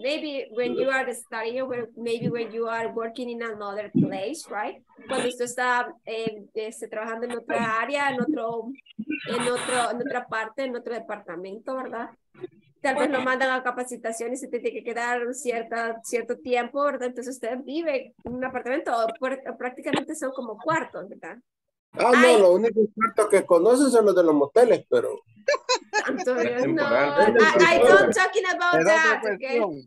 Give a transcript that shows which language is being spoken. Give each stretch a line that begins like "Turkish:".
English: Maybe when you are studying, or maybe when you are working in another place, right?
Spanish: Cuando usted está trabajando en otra área, en otra parte, en otro departamento, ¿verdad? Tal vez lo mandan a capacitación y se tiene que quedar cierto tiempo, ¿verdad? Entonces usted vive en un apartamento, prácticamente son como cuartos, ¿verdad? Ah, ay, no, los únicos cuartos que conocen son los de los moteles, pero... Entonces, no,
English: I'm not talking about that, okay?